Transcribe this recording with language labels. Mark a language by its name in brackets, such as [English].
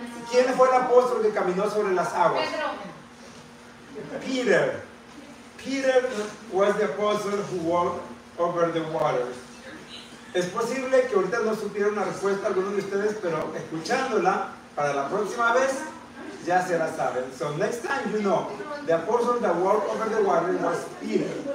[Spanish] ¿Quién fue el apóstol que caminó sobre las aguas? [English] Peter. Peter was the apostle who walked over the waters. [Spanish] Es posible que ahorita no supieran la respuesta algunos de ustedes, pero escuchándola para la próxima vez ya se la saben. [English] So next time you know, the apostle that walked over the water was Peter.